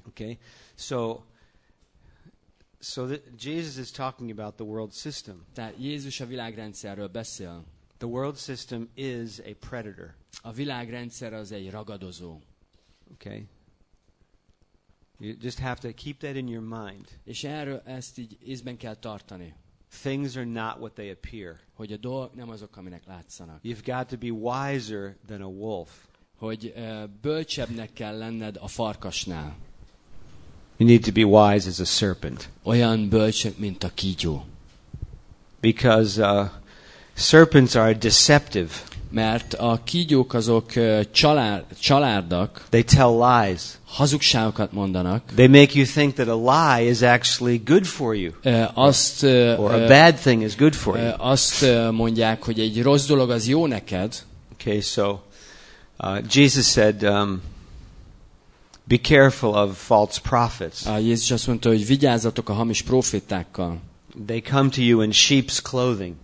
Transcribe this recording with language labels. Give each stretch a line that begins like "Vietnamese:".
English: Okay, so that Jesus is talking about the world system.
Hungarian: Tehát Jézus a világrendszerről beszél.
English: The world system is a predator.
Hungarian: A világrendszer az egy ragadozó.
English: Okay. You just have to keep that in your mind.
Hungarian: És erről ezt így észben kell tartani.
English: Things are not what they appear.
Hungarian: Hogy a dolgok nem azok, aminek látszanak.
English: You've got to be wiser than a wolf.
Hungarian: Hogy bölcsebbnek kell lenned a farkasnál.
English: You need to be wise as a serpent.
Hungarian: Olyan bölcsek, mint a kígyó.
English: Because serpents are deceptive.
Hungarian: Mert a kígyók azok csalárdak.
English: They tell lies.
Hungarian: Hazugságokat mondanak.
English: They make you think that a lie is actually good for you. Or a bad thing is good for you.
Hungarian: Azt mondják, hogy egy rossz dolog az jó neked.
English: Okay, so Jesus said, be careful of false prophets.
Hungarian: Jézus azt mondta, hogy vigyázzatok a hamis profétákkal.
English: They come to you in sheep's clothing.